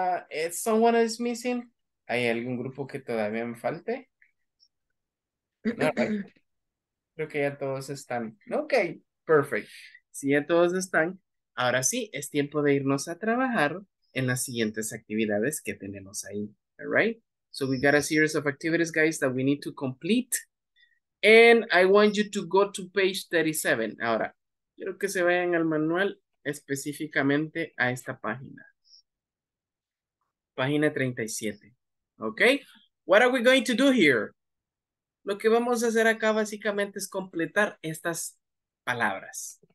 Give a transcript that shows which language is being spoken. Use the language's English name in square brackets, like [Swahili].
[English] If someone is missing, [Spanish] ¿hay algún grupo que todavía me falte? No, right. Creo que ya todos están. Okay, perfect. Si ya todos están, ahora sí, es tiempo de irnos a trabajar en las siguientes actividades que tenemos ahí. [English] All right? So we got a series of activities, guys, that we need to complete. And I want you to go to page 37. [Spanish] Ahora, quiero que se vayan al manual específicamente a esta página. [English] Página 37. Okay? What are we going to do here? [Spanish] Lo que vamos a hacer acá básicamente es completar estas palabras.